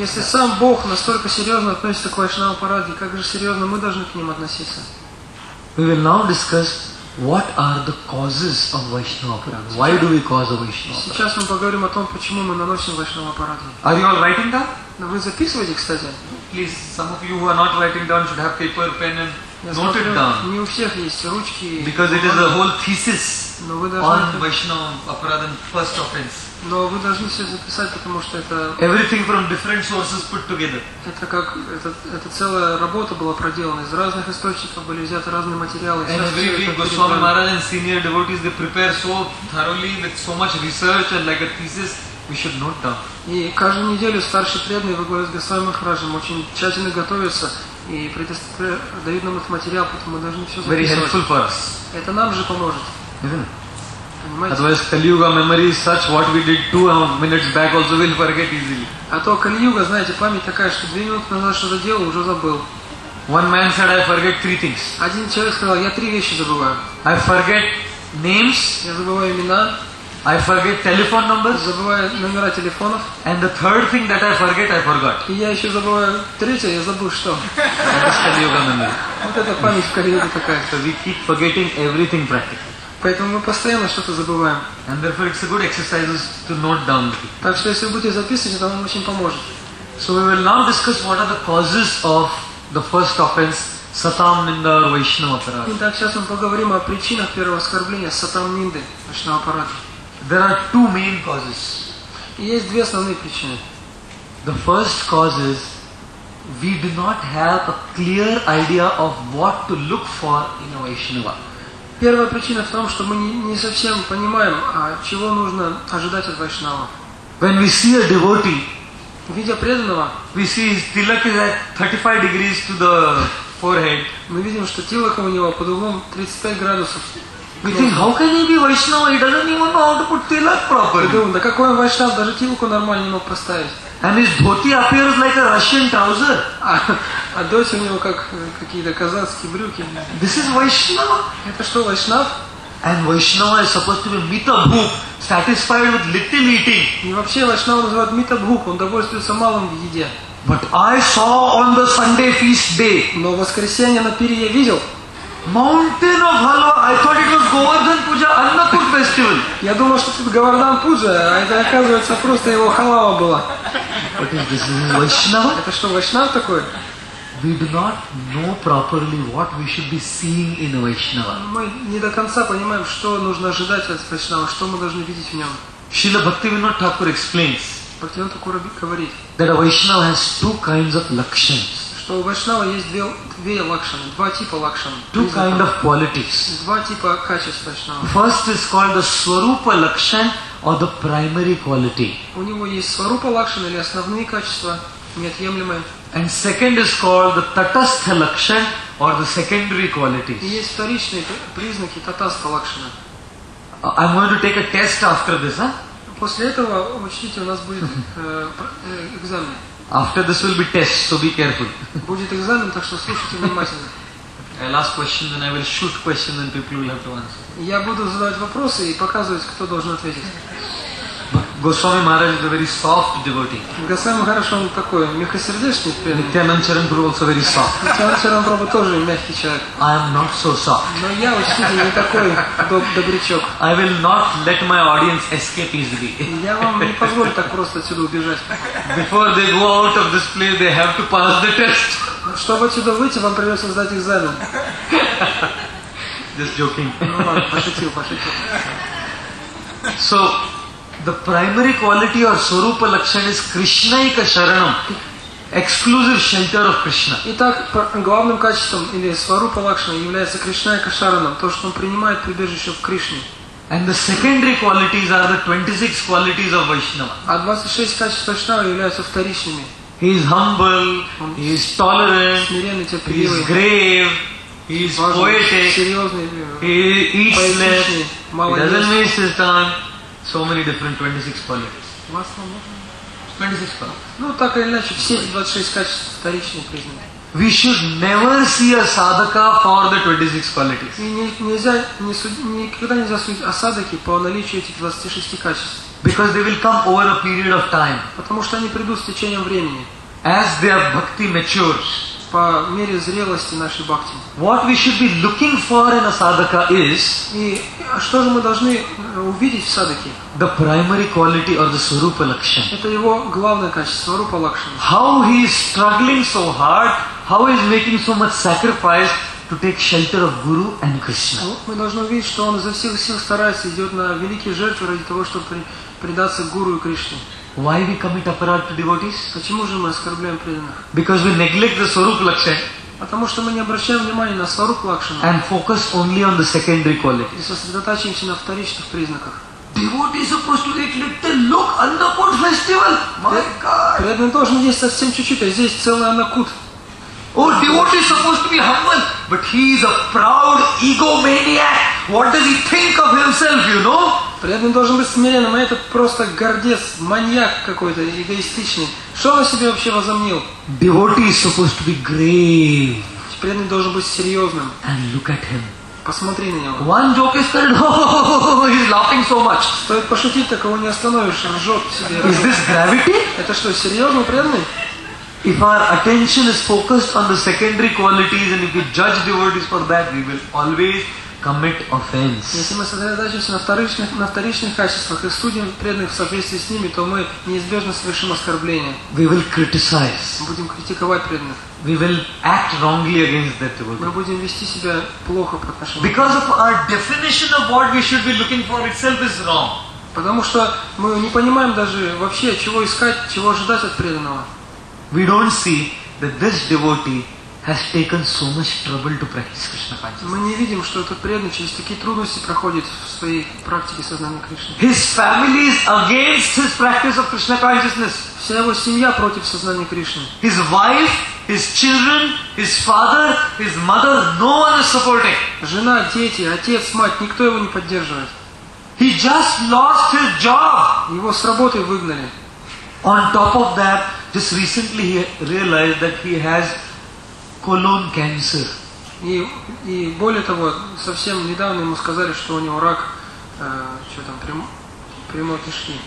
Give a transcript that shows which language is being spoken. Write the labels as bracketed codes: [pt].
[ru] Если сам Бог настолько серьезно относится к Вайшнава аппарате, как же серьезно мы должны к ним относиться? [en] We will now discuss. What are the causes of Vaishnava aparadha? Why do we cause a Vaishnava aparadha? [ru] Сейчас мы поговорим о том, почему мы наносим Вайшнава аппарат. [en] Are you all writing down? [ru] Но вы записываете, кстати. [en] Please, some of you who are not writing down should have paper, pen and note it down. [ru] Не у всех есть ручки. [en] Because it is a whole thesis on Vaishnava aparadha and first offense. [ru] Но вы должны все записать, потому что это... [en] Everything from different sources put together. [ru] Это как... Это целая работа была проделана. Из разных источников были взяты разные материалы. [en] And every week, Goswami Maharaj and senior devotees, they prepare so thoroughly, with so much research and like a thesis, we should note down. [ru] И каждую неделю старшие преданные во главе с Госвами Махараджем очень тщательно готовятся и дают нам этот материал, поэтому мы должны все записывать. [en] Very helpful for us. [ru] Это нам же поможет. [en] Otherwise, Kali-Yuga memory is such what we did 2 minutes back also we'll forget easily. [ru] А то Кали-Юга, знаете, память такая, что 2 минуты назад что-то делал, уже забыл. [en] One man said, I forget 3 things. [ru] Один человек сказал, я 3 вещи забываю. [en] I forget names. [ru] Я забываю имена. [en] I forget telephone numbers. [ru] Забываю номера телефонов. [en] And the third thing that I forgot. [ru] И я еще забываю третье, я забыл что. [en] That's Kali-Yuga memory. [ru] Вот это память в Кали-Юге такая. [en] So we keep forgetting everything practically. [ru] Поэтому мы постоянно что-то забываем. [en] And therefore it's a good exercise to note down. [ru] Так что если вы будете записывать, это вам очень поможет. [en] So we will now discuss what are the causes of the first offense, Satam Ninda or Vaishnava Aparadha. [ru] Итак, сейчас мы поговорим о причинах первого оскорбления, Satam Ninda, Vaishnava Aparadha. [en] There are 2 main causes. [ru] И есть 2 основные причины. [en] The first cause is, we do not have a clear idea of what to look for in a Vaishnava. [ru] Первая причина в том, что мы не совсем понимаем, а чего нужно ожидать от Вайшнава. [en] When we see a devotee, [ru] видя преданного, [en] we see his tilak is at 35 degrees to the forehead. [ru] Мы видим, что тилак у него под углом 35 градусов. [en] We think, how can he be Vaishnava? He doesn't even know how to put tilak properly. [ru] Мы думаем, да какой он Вайшнав, даже тилаку нормально не мог поставить. [en] And his dhoti appears like a Russian trouser. [ru] А дочь у него как какие-то казацкие брюки. [en] This is Vaishnava. [ru] Это что, Вайшнав? [en] And Vaishnava is supposed to be mitabhuk, satisfied with little eating. [ru] И вообще Вайшнава называют mitabhuk, он довольствуется малым в еде. [en] But I saw on the Sunday feast day. [ru] Но в воскресенье на пире я видел. [en] Mountain of Halwa. I thought it was Govardhan Puja, Annapur festival. [ru] Я думал, что это Говардан Пуджа, а это оказывается просто его халава была. [en] What is this? Is Vaishnava? [ru] Это что, Vaishnava такое? [en] We do not know properly what we should be seeing in Vaishnava. [ru] Мы не до конца понимаем, что нужно ожидать от Vaishnava, что мы должны видеть в нем. [en] Шрила Бхактивинод Тхакур explains. [ru] Бхактивинод Тхакур говорит. [en] That a Vaishnava has two kinds of lakshans. [ru] Что у Вайшнава есть две лакшаны, два типа лакшан. [en] Two kind of qualities. [ru] Два типа качеств Вайшнава. [en] First is called the Swarupa Lakshan or the primary quality. [ru] У него есть Swarupa Lakshan или основные качества, неотъемлемые. [en] And second is called the Tatastha Lakshan or the secondary qualities. [ru] И есть вторичные признаки Tatastha Lakshana. [en] I'm going to take a test after this, huh? [ru] После этого, учтите, у нас будет экзамен. [en] After this will be test, so be careful. [ru] Будет экзамен, так что слушайте внимательно. [en] I'll ask questions and I will shoot questions and people will have to answer. [ru] Я буду задавать вопросы и показывать, кто должен ответить. [en] Госвами Махарадж is a very soft devotee. [ru] Госвами Махарадж, он такой мягкосердечный. [en] Нитьянанд Чаран Прабху also very soft. [ru] Нитьянанд Чаран Прабху тоже мягкий человек. [en] I am not so soft. [ru] Но я, учтите, не такой добрячок. [en] I will not let my audience escape easily. [ru] Я вам не позволю так просто отсюда убежать. [en] Before they go out of this place, they have to pass the test. [ru] Чтобы отсюда выйти, вам придется сдать экзамен. [en] Just joking. [ru] Ну ладно, пошутил. [en] So, the primary quality or Swarupa Lakshan is Krishnaika Sharanam, exclusive shelter of Krishna. [ru] Итак, главным качеством или Swarupa Lakshana является Krishnaika Sharanam, то, что он принимает прибежище в Кришне. [en] And the secondary qualities are the 26 qualities of Vaishnava. [ru] А 26 качеств Вайшнава являются вторичными. [en] He is humble, he is tolerant, [ru] смиренный, терпеливый, [en] he is grave, he is poetic, [ru] серьезный, [en] he eats less, he doesn't waste his time. So many different 26 qualities. 26 qualities. [ru] Ну, так или иначе, все 26 качеств вторичные признаки. [en] We should never see a sadhaka for the 26 qualities. [ru] И никогда нельзя судить о садхаке по наличию этих 26 качеств. [en] Because they will come over a period of time. [ru] Потому что они придут с течением времени. [en] As their bhakti matures. [ru] По мере зрелости нашей бхакти. [en] What we should be looking for in a sadhaka is. [ru] И что же мы должны увидеть в садхаке? [en] The primary quality or the swarupa lakshan. [ru] Это его главное качество, swarupa lakshan. [en] How he is struggling so hard, how he is making so much sacrifice to take shelter of Guru and Krishna. [ru] Мы должны увидеть, что он изо всех сил старается, идет на великие жертвы ради того, чтобы предаться Гуру и Кришне. [en] Why we commit aparad to devotees? [ru] Почему же мы оскорбляем преданных? [en] Because we neglect the swarupa lakshan. [ru] Потому что мы не обращаем внимания на swarupa lakshana. [en] And focus only on the secondary quality. [ru] И сосредотачиваемся на вторичных признаках. [en] Devotee is supposed to take little look at the food festival. My God. [ru] Преданный должен есть совсем чуть-чуть, а здесь целый анакут. [en] Oh, devotee is supposed to be humble, but he is a proud egomaniac. What does he think of himself, you know? [ru] Преданный должен быть смиренным, а этот просто гордец, маньяк какой-то, эгоистичный. Что он себе вообще возомнил? [en] Devotee is supposed to be grave. [ru] Преданный должен быть серьезным. [en] And look at him. [ru] Посмотри на него. [en] One joke is called, oh, he's laughing so much. [ru] Стоит пошутить, такого не остановишь, ржет себе. [en] Is this gravity? [ru] Это что, серьезно, преданный? [en] If our attention is focused on the secondary qualities and if we judge devotees for that, we will always commit offense. [ru] Если мы сосредотачиваемся на вторичных качествах и судим преданных в соответствии с ними, то мы неизбежно совершим оскорбление. [en] We will criticize. [ru] Мы будем критиковать преданных. [en] We will act wrongly against that devotee. [ru] Мы будем вести себя плохо по отношению. [en] Because of our definition of what we should be looking for itself is wrong. [ru] Потому что мы не понимаем даже вообще, чего искать, чего ожидать от преданного. [en] We don't see that this devotee has taken so much trouble to practice Krishna consciousness. [ru] Мы не видим, что этот преданный через такие трудности проходит в своей практике сознания Кришны. [en] His family is against his practice of Krishna consciousness. [ru] Вся его семья против сознания Кришны. [en] His wife, his children, his father, his mother, no one is supporting. [ru] Жена, дети, отец, мать, никто его не поддерживает. [en] He just lost his job. [ru] Его с работы выгнали. [en] On top of that, just recently he realized that he has colon cancer. [ru] И более того, совсем недавно ему сказали, что у него рак, что там, прямой кишки.